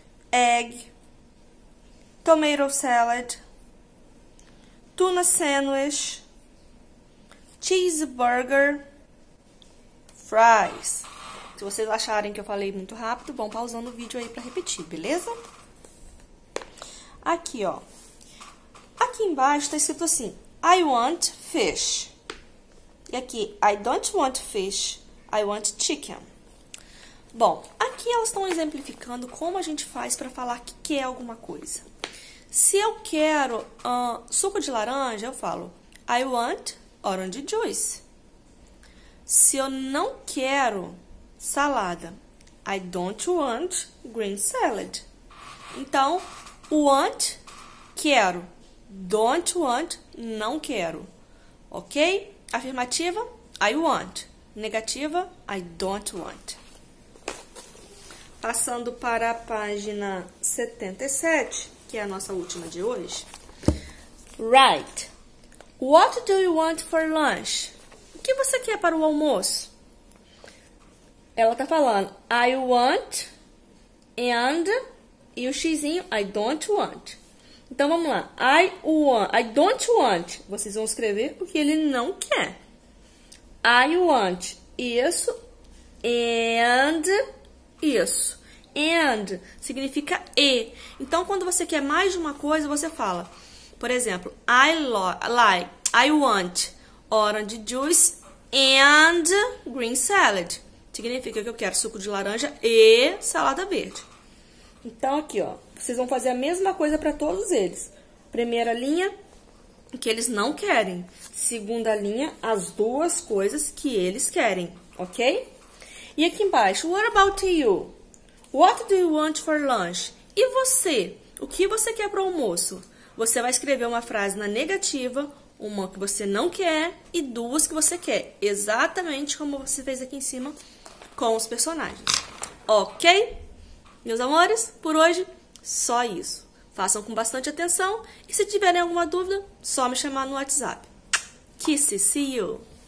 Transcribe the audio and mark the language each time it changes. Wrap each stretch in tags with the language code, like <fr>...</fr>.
<en>egg, tomato salad, tuna sandwich, cheeseburger, fries.</en> <pt>Se vocês acharem que eu falei muito rápido, vão pausando o vídeo aí para repetir, beleza? Aqui, ó. Aqui embaixo tá escrito assim:</pt> <en>I want fish.</en> <pt>E aqui,</pt> <en>I don't want fish, I want chicken.</en> <pt>Bom, aqui elas estão exemplificando como a gente faz para falar que quer alguma coisa. Se eu quero suco de laranja, eu falo</pt> <en>I want orange juice.</en> <pt>Se eu não quero salada,</pt> <en>I don't want green salad.</en> <pt>Então, want, quero. Don't want, não quero. Ok? Afirmativa, I want. Negativa, I don't want. Passando para a página 77, que é a nossa última de hoje.</pt> <en>Right. What do you want for lunch?</en> <pt>O que você quer para o almoço? Ela tá falando</pt> <en>I want and</en> <pt>e o xizinho</pt> <en>I don't want.</en> <pt>Então vamos lá.</pt> <en>I want, I don't want.</en> <pt>Vocês vão escrever o que ele não quer.</pt> <en>I want</en> <pt>isso and isso. And significa e. Então, quando você quer mais de uma coisa, você fala, por exemplo,</pt> <en>I want orange juice and green salad.</en> <pt>Significa que eu quero suco de laranja e salada verde. Então, aqui, ó, vocês vão fazer a mesma coisa para todos eles. Primeira linha, o que eles não querem. Segunda linha, as duas coisas que eles querem, ok? E aqui embaixo,</pt> <en>what about you? What do you want for lunch?</en> <pt>E você? O que você quer para o almoço? Você vai escrever uma frase na negativa, uma que você não quer e duas que você quer. Exatamente como você fez aqui em cima com os personagens. Ok? Meus amores, por hoje, só isso. Façam com bastante atenção e se tiverem alguma dúvida, só me chamar no WhatsApp.</pt> <en>Kisses, see you!</en>